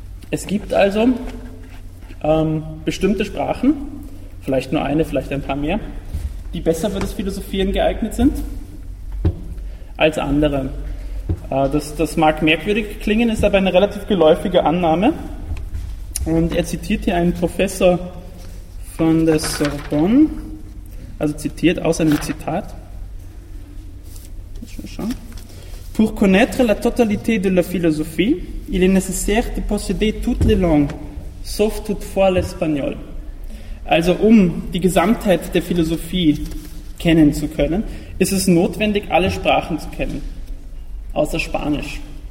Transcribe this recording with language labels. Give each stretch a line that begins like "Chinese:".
German: Es gibt also bestimmte Sprachen, vielleicht nur eine, vielleicht ein paar mehr, die besser für das Philosophieren geeignet sind als andere. Das mag merkwürdig klingen, ist aber eine relativ geläufige Annahme. Und er zitiert hier einen Professor von der Sorbonne, also zitiert aus einem Zitat.
French: Pour connaître la totalité de la philosophie, il est nécessaire de posséder toutes les langues, sauf toutefois l'espagnol.
German: Also um die Gesamtheit der Philosophie kennen zu können, ist es notwendig, alle Sprachen zu kennen, außer Spanisch.